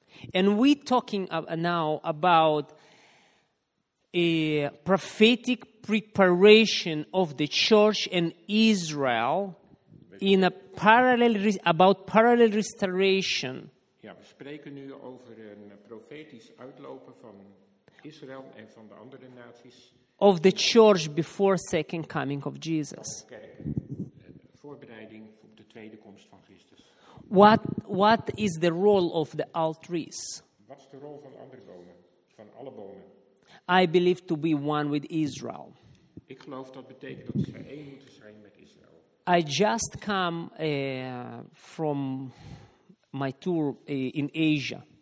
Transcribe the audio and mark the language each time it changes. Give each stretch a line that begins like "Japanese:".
English: And we talking now about a prophetic preparation of the church and Israel in a parallel about parallel restoration.
Dutch: Ja, we spreken nu over een profetisch uitlopen van Israël en van de andere naties
English: of the church before second coming of Jesus.
Dutch: Voorbereiding op de tweede komst van Christus.
English: What is the role of the all trees?
Dutch: Wat is de rol van andere bomen? Van alle bomen?
English: I believe to be one with Israel.
Dutch: Ik geloof dat betekent dat ze één moeten zijn met Israël.
English: I just come from my tour in Asia.